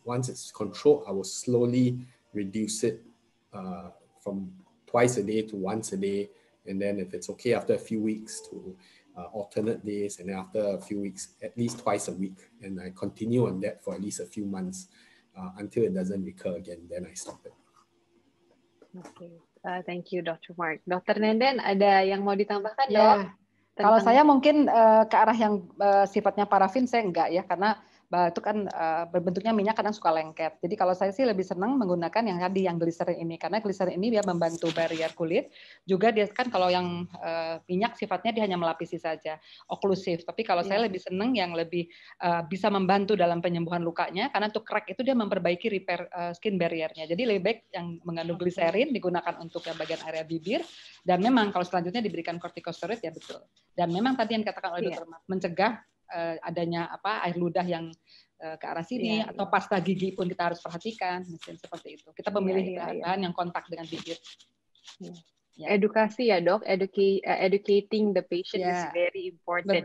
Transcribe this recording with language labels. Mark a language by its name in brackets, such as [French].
[English] Once it's controlled, I will slowly reduce it from twice a day to once a day. And then if it's okay, after a few weeks to alternate days. And then after a few weeks, at least twice a week. And I continue on that for at least a few months until it doesn't recur again. Then I stop it. Okay. Thank you, Dr. Mark. Dr. [Indonesian] Nenden, ada yang mau ditambahkan? Yeah. Kalau saya mungkin ke arah yang sifatnya parafin, saya enggak ya. Karena itu kan berbentuknya minyak kadang suka lengket. Jadi kalau saya sih lebih senang menggunakan yang tadi, yang gliserin ini. Karena gliserin ini dia membantu barrier kulit. Juga dia kan kalau yang minyak sifatnya dia hanya melapisi saja, oklusif. Tapi kalau saya lebih senang yang lebih bisa membantu dalam penyembuhan lukanya. Karena untuk crack itu dia memperbaiki repair skin barrier-nya. Jadi lebih baik yang mengandung gliserin digunakan untuk yang bagian area bibir. Dan memang kalau selanjutnya diberikan kortikosteroid, ya betul. Dan memang tadi yang dikatakan oleh dokter, mencegah adanya apa air ludah yang ke arah sini atau pasta gigi pun kita harus perhatikan, mungkin seperti itu. Kita memilih bahan yang kontak dengan bibir. Edukasi ya dok, [English] educating the patient is very important.